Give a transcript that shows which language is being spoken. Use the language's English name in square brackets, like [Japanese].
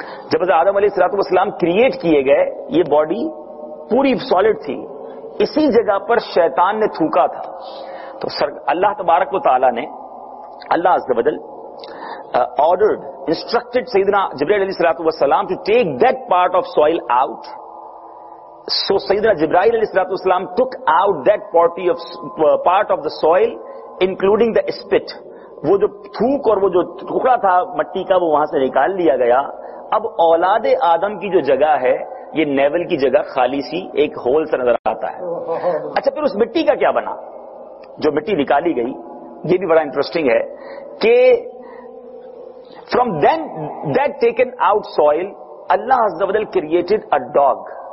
[Urdu] جب آدم علیہ الصلوۃ والسلام کریٹ کیے گئے, یہ باڈی پوری سالڈ تھی, اسی جگہ پر شیطان نے تھوکا تھا. تو اللہ تبارک و تعالی نے, [English] اللہ عز و جل آرڈرڈ, انسٹرکٹڈ سیدنا جبرائیل علیہ الصلوۃ والسلام to take that part of soil out. So Sayyidina Jibreel alayhi salatu wasalam took out that part of the soil, including the spit. [Urdu] وہ جو تھوک اور وہ جو ٹکڑا تھا مٹی کا, وہ وہاں سے نکال لیا گیا. اب اولاد آدم کی جو جگہ ہے, یہ نیول کی جگہ خالی سی ایک ہول سا نظر آتا ہے. اچھا پھر اس مٹی کا کیا بنا جو مٹی نکالی گئی؟ یہ بھی بڑا انٹرسٹنگ ہے کہ [English] From then that taken out soil, اللہ عز و جل کریٹڈ اے ڈاگ.